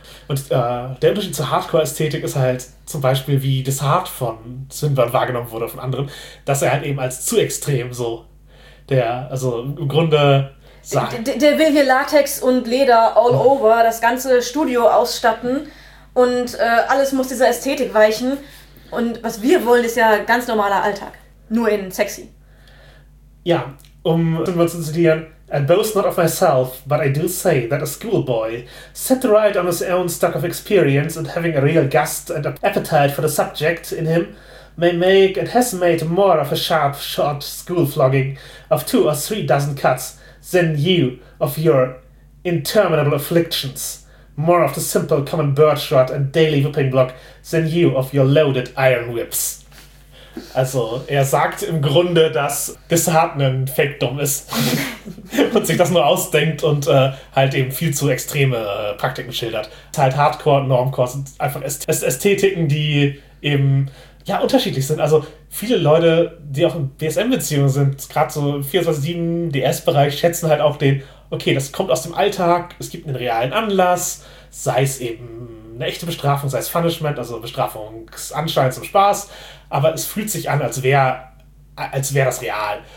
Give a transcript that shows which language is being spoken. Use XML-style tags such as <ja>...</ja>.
<de>Und der Unterschied zur Hardcore-Ästhetik ist halt zum Beispiel, wie das Hard von Swinburne wahrgenommen wurde von anderen, dass er halt eben als zu extrem so der, also im Grunde sagt. Der will hier Latex und Leder</de> <en>all over</en> <de>das ganze Studio ausstatten und alles muss dieser Ästhetik weichen. Und was wir wollen, ist ja ganz normaler Alltag. Nur in sexy. Ja, um Swinburne zu zitieren.</de> <en>I boast not of myself, but I do say that a schoolboy, set right on his own stock of experience and having a real gust and appetite for the subject in him, may make and has made more of a sharp, short school flogging of 2 or 3 dozen cuts than you of your interminable afflictions, more of the simple common birdshot and daily whipping block than you of your loaded iron whips.</en> <de>Also, er sagt im Grunde, dass Dissart ein Fake-Dumm ist und sich das nur ausdenkt und halt eben viel zu extreme Praktiken schildert. Halt Hardcore und Normcore sind einfach Ästhetiken, die eben ja unterschiedlich sind. Also, viele Leute, die auch in BSM-Beziehungen sind, gerade so 24/7-DS-Bereich, schätzen halt auch den, okay, das kommt aus dem Alltag, es gibt einen realen Anlass, sei es eben eine echte Bestrafung, sei es Punishment, also Bestrafungsanschein zum Spaß, aber es fühlt sich an, als wär das real.</de>